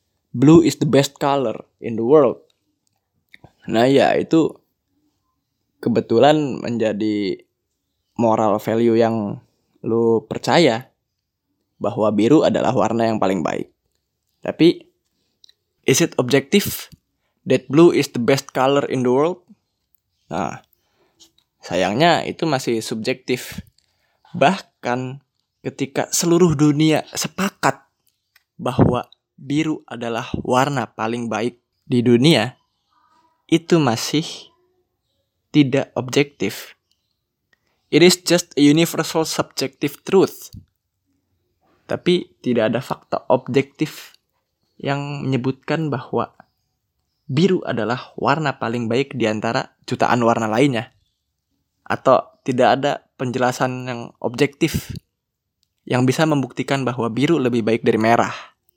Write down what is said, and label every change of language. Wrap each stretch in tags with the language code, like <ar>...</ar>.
<en>Blue is the best color in the world.</en> <id>Nah ya itu kebetulan menjadi moral value yang lu percaya bahwa biru adalah warna yang paling baik.</id> <en>Tapi is it objective that blue is the best color in the world?</en> <id>Nah sayangnya itu masih subjektif. Bahkan ketika seluruh dunia sepakat bahwa biru adalah warna paling baik di dunia, itu masih tidak objektif.</id> <en>It is just a universal subjective truth.</en> <id>Tapi tidak ada fakta objektif yang menyebutkan bahwa biru adalah warna paling baik di antara jutaan warna lainnya. Atau tidak ada penjelasan yang objektif yang bisa membuktikan bahwa biru lebih baik dari merah.</id>